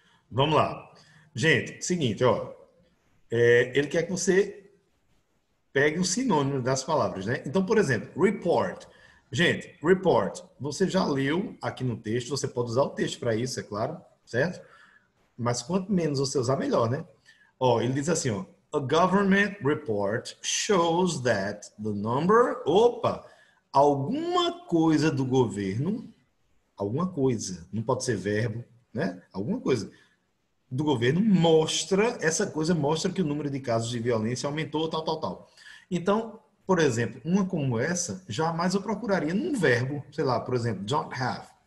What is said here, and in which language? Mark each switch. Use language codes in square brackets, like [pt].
[pt] Vamos lá. Gente, seguinte, ó. Ele quer que você pegue o sinônimo das palavras, né? Então, por exemplo, report. Gente, report. Você já leu aqui no texto, você pode usar o texto para isso, é claro. Certo? Mas quanto menos você usar, melhor, né? Ó, ele diz assim, ó. [en] A government report shows that the number... Opa! [pt] alguma coisa do governo, alguma coisa, não pode ser verbo, né? Alguma coisa do governo mostra, essa coisa mostra que o número de casos de violência aumentou, tal, tal, tal. Então, por exemplo, uma como essa, jamais eu procuraria num verbo, sei lá, por exemplo, [en] don't have.